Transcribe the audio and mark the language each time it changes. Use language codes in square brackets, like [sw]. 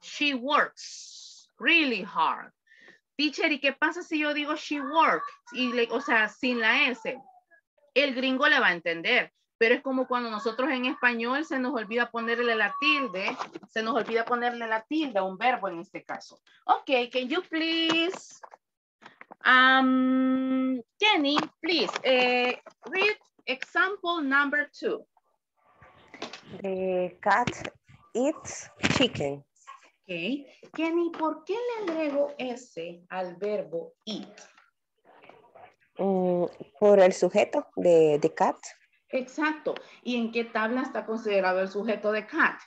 [en] She works really hard. Teacher, [es] ¿y qué pasa si yo digo [en] she works? [es] Y le, o sea, sin la S. El gringo la va a entender. Pero es como cuando nosotros en español se nos olvida ponerle la tilde, se nos olvida ponerle la tilde a un verbo en este caso. [en] Ok, can you please, Jenny, please, read example number two. The cat eats chicken. [es] Ok, Jenny, ¿por qué le agrego ese al verbo eat? Por el sujeto de [en] the cat. [es] Exacto. ¿Y en qué tabla está considerado el sujeto de cat?